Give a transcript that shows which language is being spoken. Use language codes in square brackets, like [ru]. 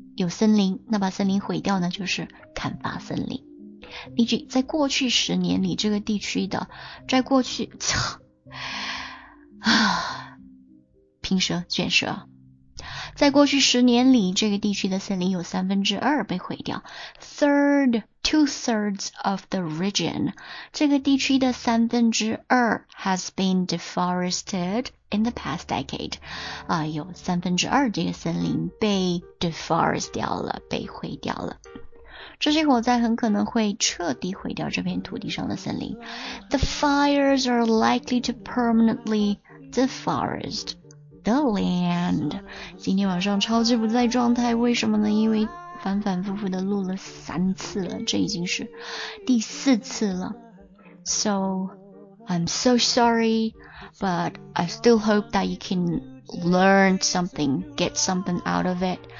[zh] 有森林，那把森林毁掉呢，就是砍伐森林。例句，在过去十年里，这个地区的，在过去，拼舌卷舌，在过去十年里，这个地区的森林有三分之二被毁掉。 [en] Third, two thirds of the region， [zh] 这个地区的三分之二 [en] has been deforested in the past decade。 [zh] 啊，有三分之二这个森林被 deforest 掉了，被毁掉了。这些火灾很可能会彻底毁掉这片土地上的森林。 [en] The fires are likely to permanently deforest the land。 [zh] 今天晚上超级不在状态，为什么呢？因为反反复复的录了三次了，这已经是第四次了。 [en] So I'm so sorry, but I still hope that you can learn something, get something out of it.